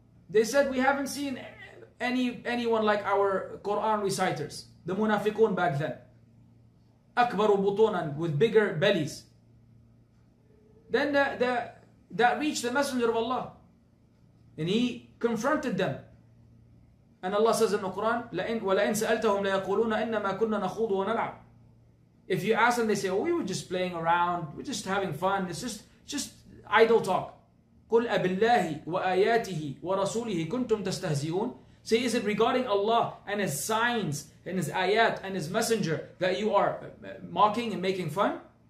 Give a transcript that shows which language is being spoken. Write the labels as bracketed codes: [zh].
[en] They said, we haven't seen anyone like our Quran reciters, the Munafiqun back then. Akbaru butunan, with bigger bellies. Then that reached the Messenger of Allah. And he confronted them. And Allah says in the Quran, [ar] وَلَئِنْ سَأَلْتَهُمْ لَيَقُولُونَ إِنَّمَا كُنَّا نَخُوضُ وَنَلْعَبُ. [en] If you ask them, they say, oh, we were just playing around. We're just having fun. It's just idle talk. [ar] قُلْ أَبِاللَّهِ وَآيَاتِهِ وَرَسُولِهِ كُنْتُمْ تَسْتَهْزِئُونَ. [en] Say, is it regarding Allah and His signs and His ayat and His messenger that you are mocking and making fun?